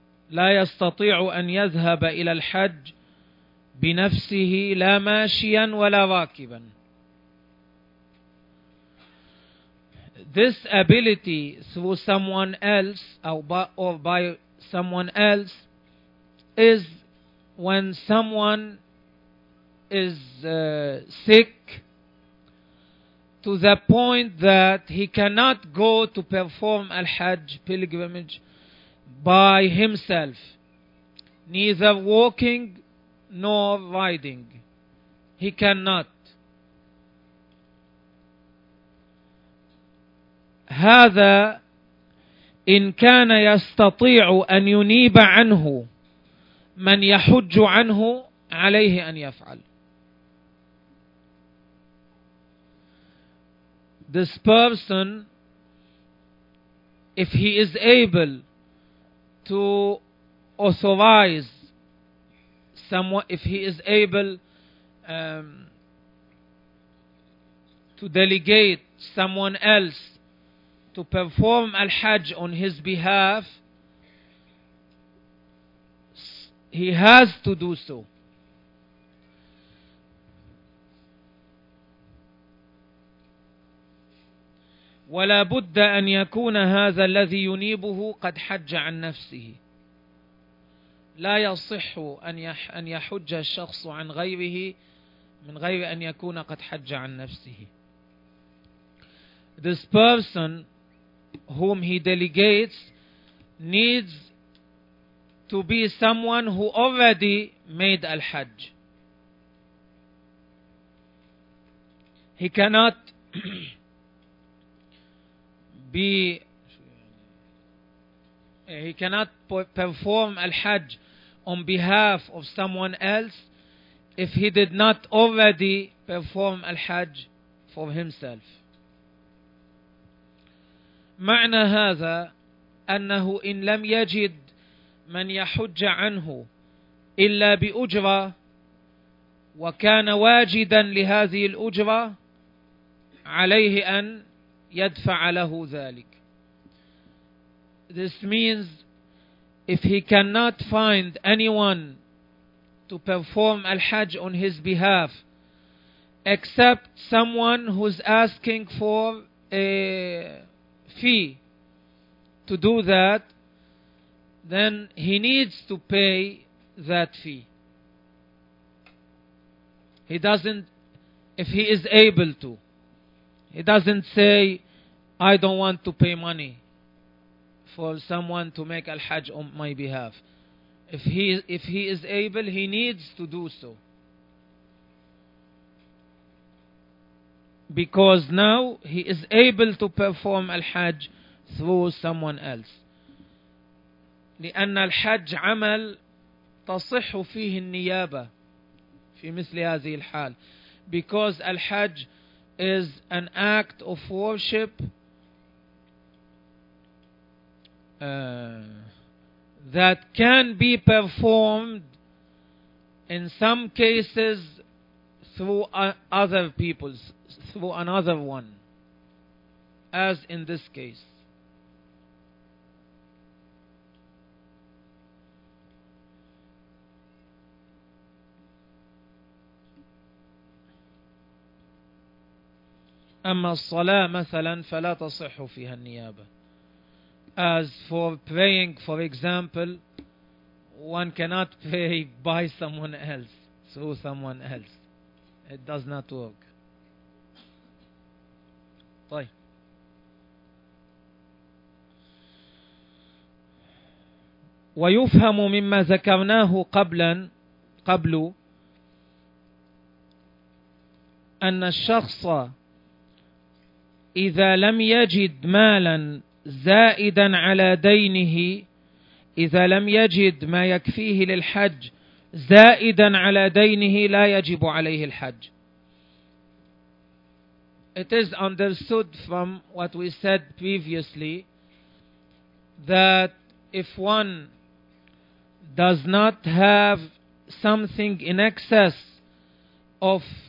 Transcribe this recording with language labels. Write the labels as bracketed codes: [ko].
[ar] لا يستطيع أن يذهب إلى الحج بنفسه لا ماشيا ولا راكبا. [en] This ability through someone else or by someone else is when someone is sick to the point that he cannot go to perform al-hajj pilgrimage by himself, neither walking nor riding. He cannot. [ar] هذا إن كان يستطيع أن ينيب عنه من يحج عنه عليه أن يفعل. [en] This person, if he is able to authorize someone, if he is able to delegate someone else to perform al-hajj on his behalf, he has to do so. [ar] ولا بد أن يكون هذا الذي ينيبه قد حج عن نفسه. لا يصح أن يحج الشخص عن غيره من غير أن يكون قد حج عن نفسه. [en] This person whom he delegates needs to be someone who already made al-hajj. He cannot he cannot perform al-hajj on behalf of someone else if he did not already perform al-hajj for himself. معنى هذا أنه إن لم يجد من يحج عنه إلا بأجرة وكان واجدا لهذه الأجرة عليه أن يدفع له ذلك. This means if he cannot find anyone to perform al-hajj on his behalf except someone who's asking for a fee to do that, then he needs to pay that fee. If he is able to. He doesn't say, I don't want to pay money for someone to make al-hajj on my behalf. If he is able, he needs to do so. Because now he is able to perform al-hajj through someone else. [ar] لأن الحج عمل تصح فيه النيابة في مثل هذه الحال. [en] Because al-hajj is an act of worship that can be performed in some cases through other people, through another one, as in this case. [ar] أما الصلاة مثلا فلا تصح فيها النيابة. [en] As for praying, for example, one cannot pray by someone else, through someone else. It does not work. [ar] ويفهم مما ذكرناه قبل أن الشخص إذا لم يجد مالا زائدا على دينه، إذا لم يجد ما يكفيه للحج زائدا على دينه لا يجب عليه الحج. [en] It is understood from what we said previously that if one does not have something in excess of